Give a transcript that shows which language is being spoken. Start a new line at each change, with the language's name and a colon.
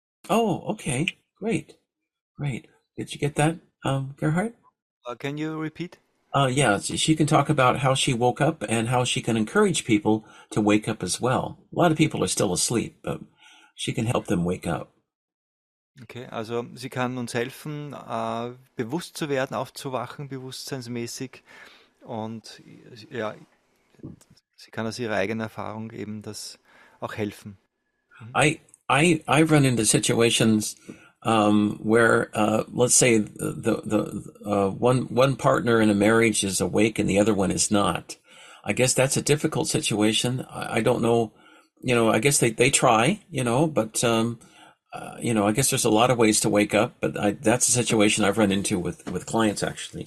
English: Oh, okay. Great. Great. Did you get that, Gerhard? Can you repeat? Yeah, she can talk about how she woke up and how she can encourage people to wake up as well. A lot of people are still asleep, but she can help them wake up.
German: Okay, also sie kann uns helfen, bewusst zu werden, aufzuwachen, bewusstseinsmäßig. Und ja, sie kann aus ihrer eigenen Erfahrung eben das auch helfen.
English: I run into situations... let's say the one partner in a marriage is awake and the other one is not. I guess that's a difficult situation. I don't know, you know, I guess they try, you know, but, you know, I guess there's a lot of ways to wake up, but that's a situation I've run into with clients actually.